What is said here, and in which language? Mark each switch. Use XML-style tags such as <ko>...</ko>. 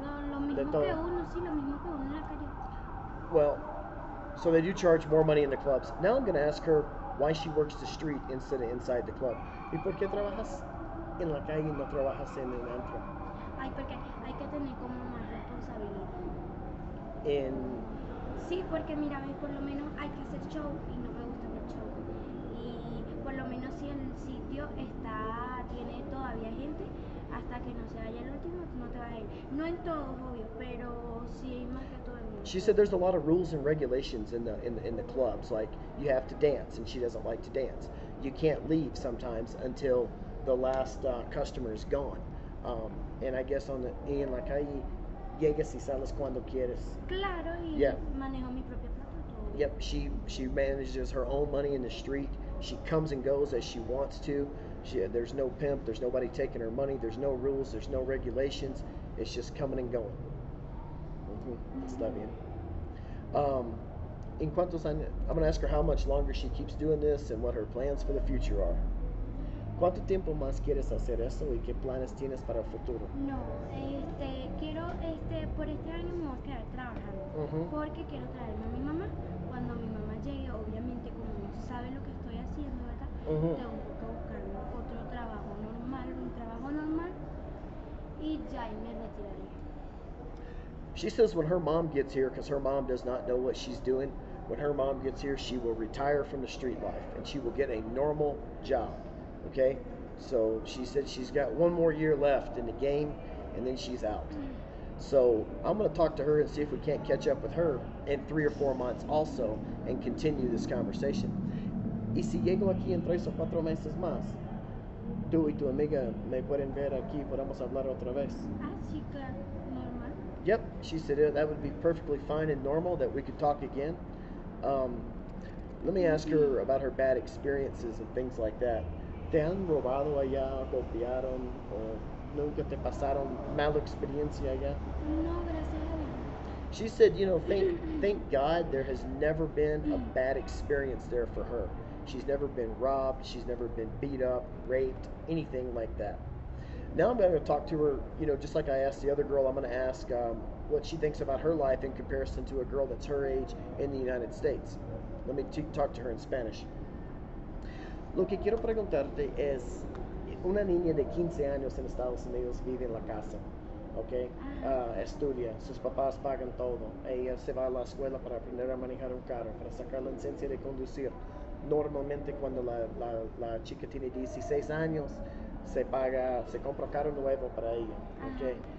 <es>Lo mismo que uno, sí, lo mismo que uno en la calle.</es> <en>Well, so they do charge more money in the clubs. Now I'm going to ask her why she works the street instead of inside the club.</en> <es>¿Y por qué trabajas en la calle y no trabajas en el antro? Ay, porque hay que tener como más responsabilidad. En... Sí, porque mira, ves, por lo menos hay que hacer show y no me gusta hacer show. Y por lo menos si el sitio está, tiene todavía gente, hasta que no se vaya el último, no te vas a ir. No en todos, obvio, pero sí más que todo en el...</es> <en>She said there's a lot of rules and regulations in the clubs, like you have to dance, and she doesn't like to dance. You can't leave sometimes until the last customer is gone.</en> <es>And I guess on the en la calle llegas y sales cuando quieres. Claro, y yeah. Manejo mi propio plato.</es> <en>Yep, she manages her own money in the street. She comes and goes as she wants to. There's no pimp, there's nobody taking her money, there's no rules, there's no regulations. It's just coming and going. Está bien. En cuántos años, I'm going to ask her how much longer she keeps doing this and what her plans for the future are.</en> <es>¿Cuánto tiempo más quieres hacer eso y qué planes tienes para el futuro? No, quiero, por este año me voy a quedar trabajando. Porque quiero traerme a mi mamá. Cuando mi mamá llegue, obviamente, como no sabe lo que estoy haciendo, ¿verdad? Tengo que buscar otro trabajo normal, un trabajo normal, y ya y me retiraré.</es> <en>She says when her mom gets here, because her mom does not know what she's doing, when her mom gets here, she will retire from the street life and she will get a normal job. Okay? So she said she's got one more year left in the game and then she's out. So I'm going to talk to her and see if we can't catch up with her in 3 or 4 months also and continue this conversation.</en> <es>¿Y si llego aquí en 3 o 4 meses más? ¿Tú y tu amiga me pueden ver aquí? ¿Podemos hablar otra vez? Chica.</es> <en>Yep, she said that would be perfectly fine and normal that we could talk again. Let me ask her about her bad experiences and things like that.</en> <es>¿Te han robado allá, golpearon, o nunca te pasaron mala experiencia allá? No, gracias a Dios.</es> <en>She said, you know, thank God there has never been a bad experience there for her. She's never been robbed, she's never been beat up, raped, anything like that. Now I'm going to talk to her, you know, just like I asked the other girl. I'm going to ask what she thinks about her life in comparison to a girl that's her age in the United States. Let me talk to her in Spanish.</en> <es>Lo que quiero preguntarte es, una niña de 15 años en Estados Unidos vive en la casa, okay? Estudia, sus papás pagan todo. Ella se va a la escuela para aprender a manejar un carro, para sacar la licencia de conducir. Normalmente cuando la chica tiene 16 años, se paga, se compra carro nuevo para ella, okay?</es>